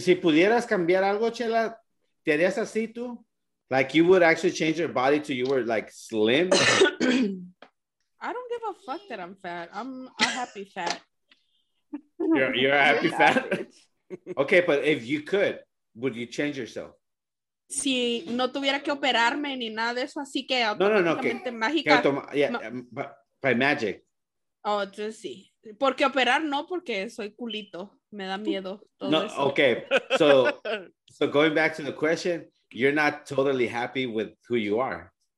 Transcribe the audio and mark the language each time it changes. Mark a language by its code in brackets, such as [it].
[es] Si pudieras cambiar algo, Chela, ¿te harías así tú? [en] Like, you would actually change your body till you were, like, slim? I don't give a fuck that I'm fat. I'm a happy fat. You're a happy fat? Okay, but if you could, would you change yourself? [es] Si no tuviera que operarme ni nada de eso, así que automáticamente mágica. [en] By magic. [es] Oh, entonces sí. Porque operar no, porque soy culito. Me da miedo. Todo no, eso. Okay. [en] So, so going back to the question, you're not totally happy with who you are.